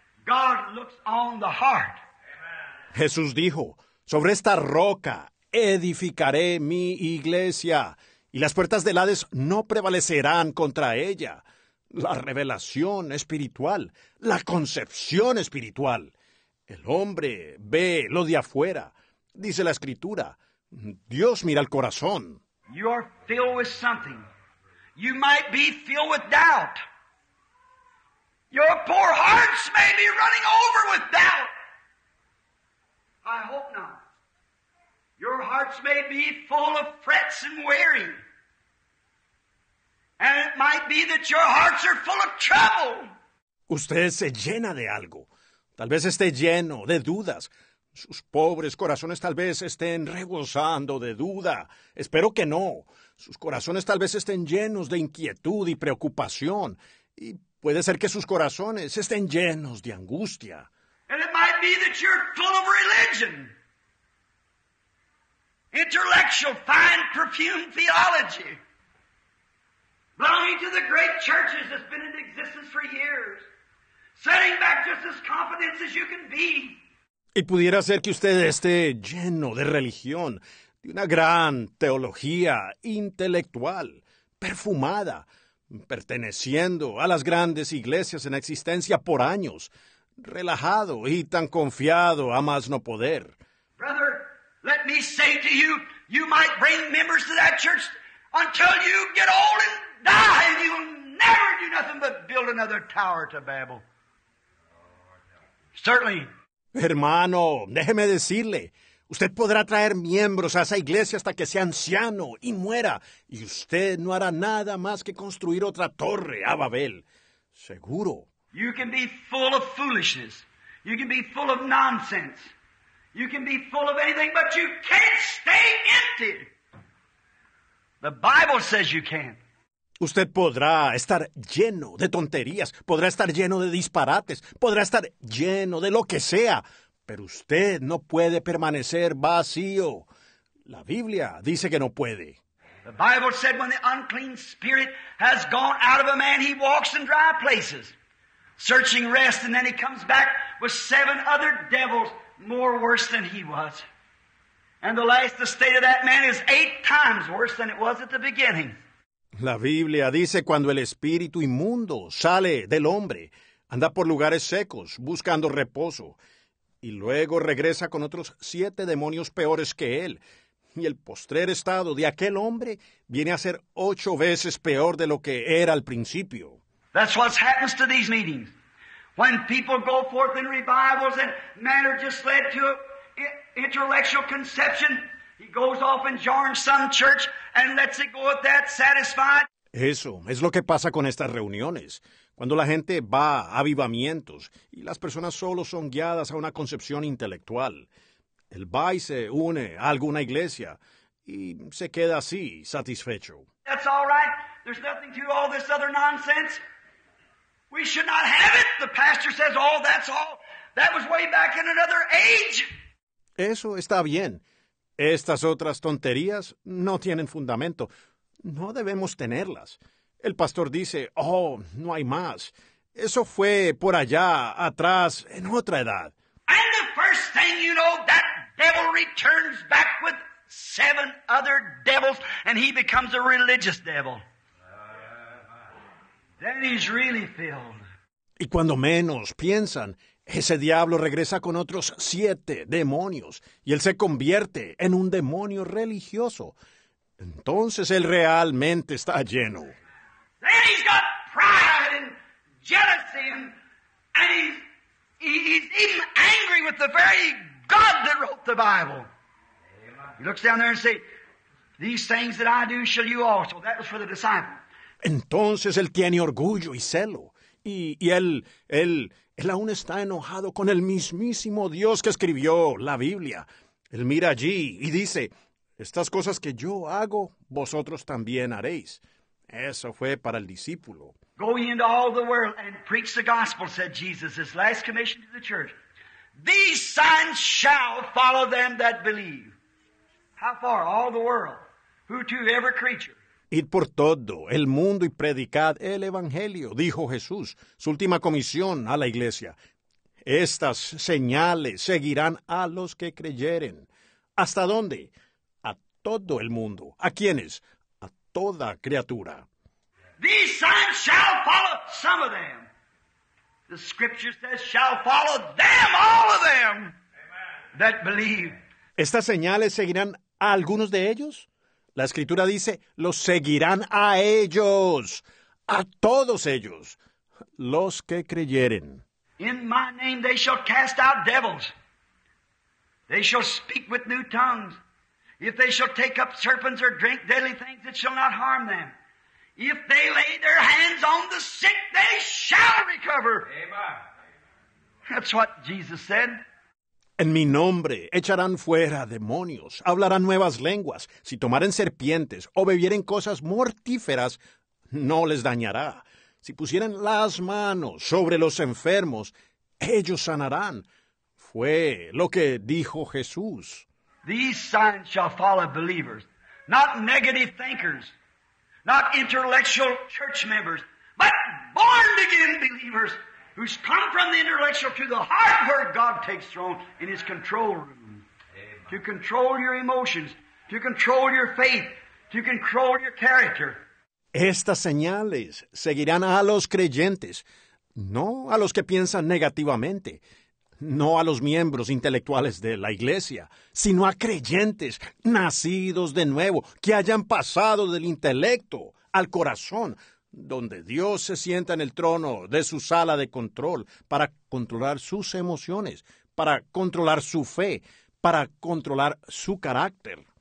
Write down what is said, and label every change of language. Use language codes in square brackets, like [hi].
[en] God looks on the heart. [es] Jesús dijo, sobre esta roca edificaré mi iglesia, y las puertas del Hades no prevalecerán contra ella. La revelación espiritual, la concepción espiritual. El hombre ve lo de afuera. Dice la Escritura, Dios mira el corazón. [en] You are filled with something. You might be filled with doubt. Your poor hearts may be running over with doubt. I hope not. Your hearts may be full of frets and worry. And it might be that your hearts are full of trouble. [es] Usted se llena de algo. Tal vez esté lleno de dudas. Sus pobres corazones tal vez estén rebosando de duda. Espero que no. Sus corazones tal vez estén llenos de inquietud y preocupación. Y puede ser que sus corazones estén llenos de angustia. [en] And it might be that you're full of religion. Intellectual, fine, perfumed theology. Belonging to the great churches that's been in existence for years. Setting back just as confident as you can be. [es] Y pudiera ser que usted esté lleno de religión, de una gran teología intelectual, perfumada, perteneciendo a las grandes iglesias en existencia por años, relajado y tan confiado a más no poder. [en] Brother, let me say to you, you might bring members to that church until you get old and die, and you'll never do nothing but build another tower to Babel. Certainly. [es] Hermano, déjeme decirle, usted podrá traer miembros a esa iglesia hasta que sea anciano y muera, y usted no hará nada más que construir otra torre a Babel. Seguro. [en] You can be full of foolishness. You can be full of nonsense. You can be full of anything, but you can't stay empty. The Bible says you can't. [es] Usted podrá estar lleno de tonterías, podrá estar lleno de disparates, podrá estar lleno de lo que sea, pero usted no puede permanecer vacío. La Biblia dice que no puede. [en] The Bible said when the unclean spirit has gone out of a man, he walks in dry places, searching rest, and then he comes back with seven other devils more worse than he was. And the last estate of that man is eight times worse than it was at the beginning. [es] La Biblia dice cuando el espíritu inmundo sale del hombre, anda por lugares secos buscando reposo, y luego regresa con otros siete demonios peores que él, y el postrer estado de aquel hombre viene a ser ocho veces peor de lo que era al principio. [en] That's what happens to these meetings. When people go forth in revivals and men are just led to intellectual conception, he goes off and joins some church and lets it go at that, satisfied. [es] Eso es lo que pasa con estas reuniones. Cuando la gente va a avivamientos y las personas solo son guiadas a una concepción intelectual. Él va y se une a alguna iglesia y se queda así, satisfecho. [en] That's all right. There's nothing to all this other nonsense. We should not have it. The pastor says, oh, that's all. That was way back in another age. [es] Eso está bien. Estas otras tonterías no tienen fundamento. No debemos tenerlas. El pastor dice, oh, no hay más. Eso fue por allá, atrás, en otra edad. [en] And the first thing you know, that devil returns back with seven other devils, and he becomes a religious devil. Then he's really filled. [es] Y cuando menos piensan, ese diablo regresa con otros siete demonios, y él se convierte en un demonio religioso. Entonces él realmente está lleno. [en] Then he's got pride and jealousy, and he's even angry with the very God that wrote the Bible. He looks down there and says, these things that I do shall you also. That was for the disciples. [es] Entonces él tiene orgullo y celo. Y él Él aún está enojado con el mismísimo Dios que escribió la Biblia. Él mira allí y dice, estas cosas que yo hago, vosotros también haréis. Eso fue para el discípulo. [en] Go into all the world and preach the gospel, said Jesus, his last commission to the church. These signs shall follow them that believe. How far? All the world. Who to every creature. [es] Id por todo el mundo y predicad el Evangelio, dijo Jesús, su última comisión a la iglesia. Estas señales seguirán a los que creyeren. ¿Hasta dónde? A todo el mundo. ¿A quiénes? A toda criatura. [en] These signs shall follow some of them. The scripture says shall follow them, all of them that believe. [es] ¿Estas señales seguirán a algunos de ellos? La Escritura dice, los seguirán a ellos, a todos ellos, los que creyeren. [en] In my name they shall cast out devils. They shall speak with new tongues. If they shall take up serpents or drink deadly things, it shall not harm them. If they lay their hands on the sick, they shall recover. Amen. That's what Jesus said. [es] En mi nombre echarán fuera demonios, hablarán nuevas lenguas. Si tomaren serpientes o bebieren cosas mortíferas, no les dañará. Si pusieren las manos sobre los enfermos, ellos sanarán. Fue lo que dijo Jesús. [en] These signs shall follow believers, not negative thinkers, not intellectual church members, but born-again believers. Who's come from the intellectual to the heart where God takes throne in his control room. Amen. To control your emotions, to control your faith, to control your character. [es] Estas señales seguirán a los creyentes, no a los que piensan negativamente, no a los miembros intelectuales de la iglesia, sino a creyentes nacidos de nuevo, que hayan pasado del intelecto al corazón, donde Dios se sienta en el trono de su sala de control para controlar sus emociones, para controlar su fe, para controlar su carácter.